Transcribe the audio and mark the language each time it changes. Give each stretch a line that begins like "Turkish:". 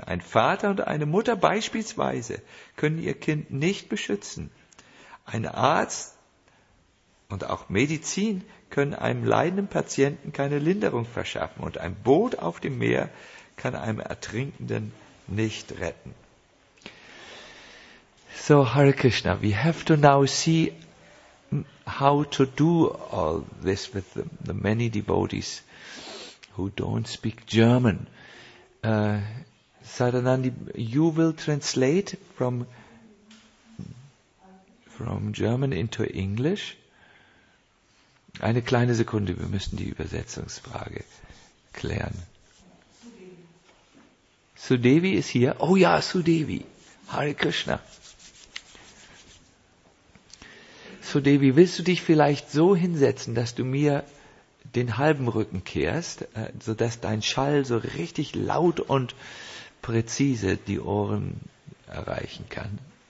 German: Ein Vater und eine Mutter beispielsweise können ihr Kind nicht beschützen. Ein Arzt und auch Medizin können einem leidenden Patienten keine Linderung verschaffen und ein Boot auf dem Meer kann einem Ertrinkenden nicht retten.
English: So, Hare Krishna, we have to now see how to do all this with the many devotees who don't speak German. Sadanandi, you will translate from German into English.
German: Eine kleine Sekunde, wir müssen die Übersetzungsfrage klären.
English: Sudevi is here. Oh ja, Sudevi. Hare Krishna.
German: Sudevi, willst du dich vielleicht so hinsetzen, dass du mir den halben Rücken kehrst, sodass dein Schall so richtig laut und präzise die Ohren erreichen kann?